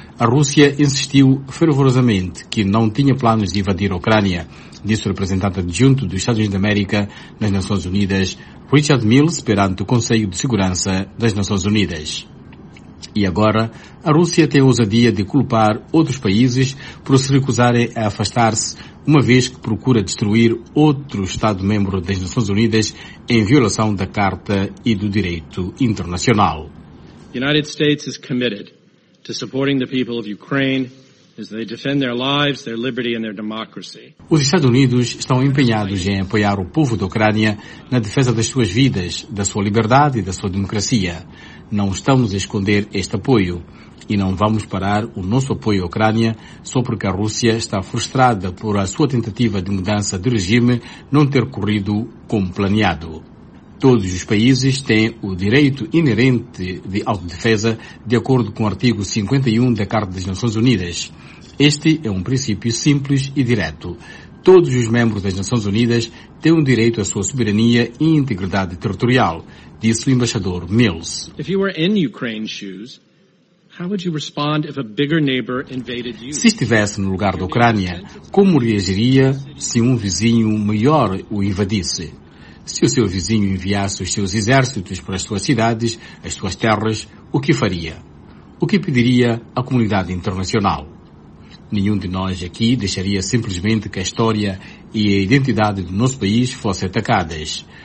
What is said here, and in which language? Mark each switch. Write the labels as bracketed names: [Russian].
[Portuguese] A Rússia insistiu fervorosamente que não tinha planos de invadir a Ucrânia, disse o representante adjunto dos Estados Unidos da América nas Nações Unidas, Richard Mills, perante o Conselho de Segurança das Nações Unidas. E agora, a Rússia tem a ousadia de culpar outros países por se recusarem a afastar-se, uma vez que procura destruir outro Estado-membro das Nações Unidas em violação da Carta e do Direito Internacional. [English] The United States is committed to supporting the people of Ukraine as they defend their lives, their liberty and their democracy. [Portuguese] Os Estados Unidos estão empenhados em apoiar o povo da Ucrânia na defesa das suas vidas, da sua liberdade e da sua democracia. Não estamos a esconder este apoio e não vamos parar o nosso apoio à Ucrânia só porque a Rússia está frustrada por a sua tentativa de mudança de regime não ter corrido como planeado. Todos os países têm o direito inerente de autodefesa de acordo com o artigo 51 da Carta das Nações Unidas. Este é um princípio simples e direto. Todos os membros das Nações Unidas têm o direito à sua soberania e integridade territorial, disse o embaixador Mills. [English] If you were in Ukraine's shoes, how would you respond if a bigger neighbor invaded you? [Portuguese] Se estivesse no lugar da Ucrânia, como reagiria se um vizinho maior o invadisse? Se o seu vizinho enviasse os seus exércitos para as suas cidades, as suas terras, o que faria? O que pediria à comunidade internacional? Nenhum de nós aqui deixaria simplesmente que a história e a identidade do nosso país fossem atacadas.